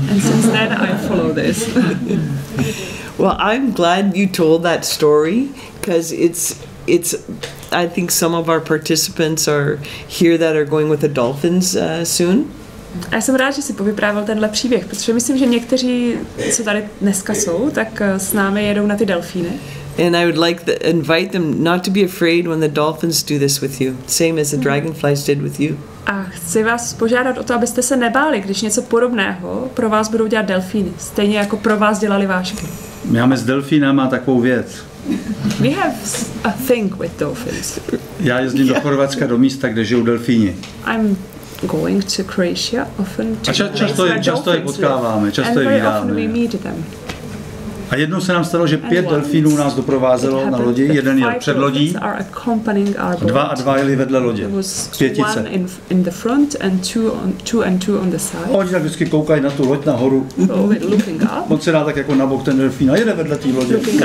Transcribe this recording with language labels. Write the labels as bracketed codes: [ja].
[en] And since then I follow this. Well, I'm glad you told that story, because it's I think some of our participants are here that are going with the dolphins soon. [cs] Já jsem rád, že si povyprávil tenhle příběh, protože myslím, že někteří, co tady dneska jsou, tak s námi jedou na ty delfíny. [en] And I would like to invite them not to be afraid when the dolphins do this with you, same as the dragonflies did with you. [cs] A chci vás požádat o to, abyste se nebáli, když něco podobného pro vás budou dělat delfíny, stejně jako pro vás dělali vášky. My máme s delfínama takovou věc. [en] We have a thing with dolphins. [cs] Já jezdím do Chorvatska do místa, kde žijou delfíni. [en] I'm going to Croatia often to [cs] a často je potkáváme, často je vidíme. [en] We meet them. [cs] A jednou se nám stalo, že pět delfínů nás doprovázelo na lodi, jeden jel před lodí, dva a dva jeli vedle lodě, pětice. [en] In the front and two on the side. [cs] Oni tak vždycky koukají na tu loď nahoru, on se dá tak jako na bok ten delfín a jede vedle té lodě.